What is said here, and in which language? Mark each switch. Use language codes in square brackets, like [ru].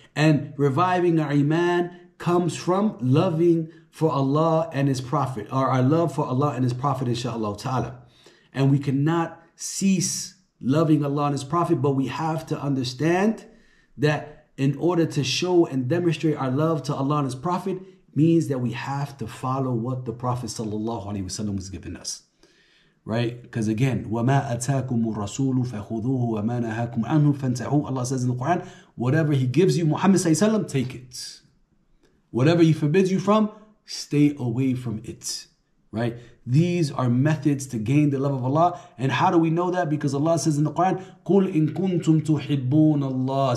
[en] And reviving our iman comes from loving for Allah and His Prophet, or our love for Allah and His Prophet, inshallah ta'ala. And we cannot cease loving Allah and His Prophet, but we have to understand that in order to show and demonstrate our love to Allah and His Prophet means that we have to follow what the Prophet sallallahu alaihi wasallam has given us. Right? [ar] Because again, وَمَا أَتَاكُمُ الرَّسُولُ فَخُذُوهُ وَمَا نَهَاكُمْ عَنْهُ فَانْتَحُوا. [en] Allah says in the Quran, whatever He gives you, Muhammad sallallahu alaihi wasallam, take it. Whatever He forbids you from, stay away from it. Right? These are methods to gain the love of Allah. And how do we know that? Because Allah says in the Quran, [ar] قُلْ إِن كُنْتُمْ تُحِبُّونَ اللَّهِ.